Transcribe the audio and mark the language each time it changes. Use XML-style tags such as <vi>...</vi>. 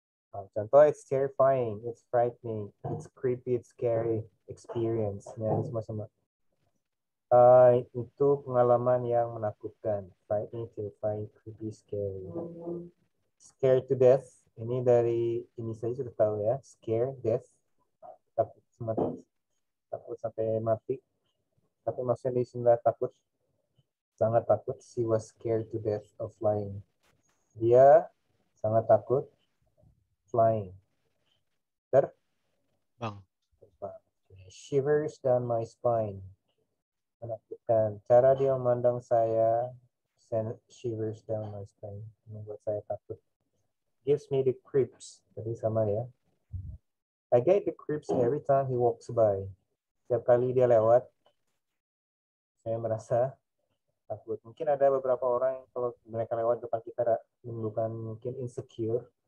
<en>Contoh, it's terrifying, it's frightening, it's creepy, it's scary experience.</en> <id>Ya, ini semua-sama. Itu pengalaman yang menakutkan.</id> <en>Frightening, terrifying, creepy, scary. Scared to death.</en> <id>Ini dari ini saya sudah tahu ya.</id> <en>Scare, death.</en> <id>Takut sampai mati. Tapi maksudnya di sini takut. Sangat takut.</id> <en>She was scared to death of flying.</en> <id>Dia sangat takut flying. Terbang.</id> <en>Shivers down my spine. Menakutkan.</en> <id>Cara dia memandang saya</id> <en>send shivers down my spine.</en> <id>Membuat saya takut.</id> <en>Gives me the creeps.</en> <id>Jadi sama ya.</id> <en>I get the creeps every time he walks by.</en> <id>Setiap kali dia lewat, saya merasa takut. Mungkin ada beberapa orang yang kalau mereka lewat depan kita menimbulkan mungkin insecure.</id>